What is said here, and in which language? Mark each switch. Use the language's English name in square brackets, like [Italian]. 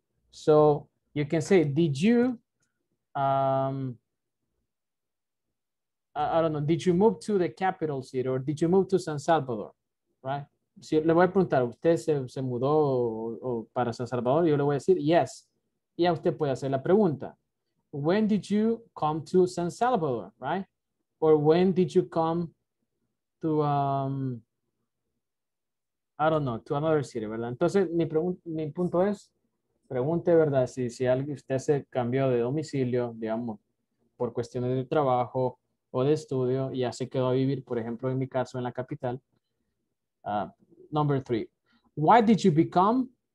[English] So, you can say, did you, I don't know, did you move to the capital city or did you move to San Salvador, right? [Spanish] Si le voy a preguntar, ¿usted se mudó o para San Salvador? Yo le voy a decir, [English] yes. [Spanish] Y a usted puede hacer la pregunta. [English] When did you come to San Salvador, right? Or when did you come to, I don't know, to another city, [Spanish] ¿verdad? Entonces, mi punto es, pregunte, ¿verdad? Si alguien, usted se cambió de domicilio, digamos, por cuestiones de trabajo o de estudio, y ya se quedó a vivir, por ejemplo, en mi caso, en la capital. [English] Number three. Why did you become?